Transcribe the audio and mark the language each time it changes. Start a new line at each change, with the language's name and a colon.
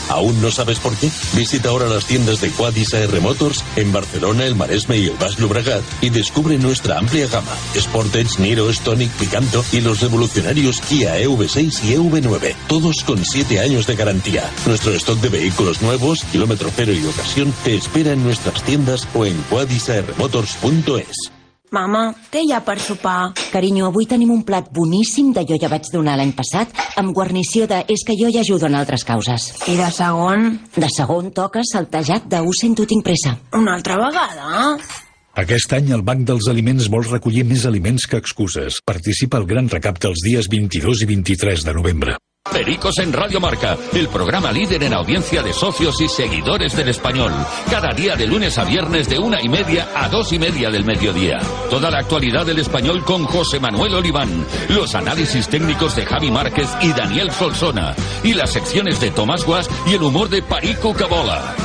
Spanish: ¿Aún no sabes por qué? Visita ahora las tiendas de Quadis AR Motors en Barcelona, el Maresme y el Baix Llobregat y descubre nuestra amplia gama. Sportage, Niro, Stonic, Picanto y los revolucionarios Kia EV6 y EV9. Todos con 7 años de garantía. Nuestro stock de vehículos nuevos, kilómetro cero y ocasión, te espera en nuestras tiendas o en quadisarmotors.es.
Catalan: Mama, què hi ha per sopar? Carinyo, avui tenim un plat boníssim d'allò ja vaig donar l'any passat amb guarnició de és que jo hi ajudo en altres causes. I de segon? De segon toca saltejat de ho sento, tinc pressa. Una altra vegada? Aquest any el Banc dels Aliments vol recollir més aliments que excuses. Participa al Gran Recap dels dies 22 i 23 de novembre.
Spanish: Pericos en Radio Marca, el programa líder en audiencia de socios y seguidores del Español. Cada día de lunes a viernes de 1:30 a 2:30 del mediodía. Toda la actualidad del Español con José Manuel Oliván, los análisis técnicos de Javi Márquez y Daniel Solsona, y las secciones de Tomás Guas y el humor de Perico Cabola.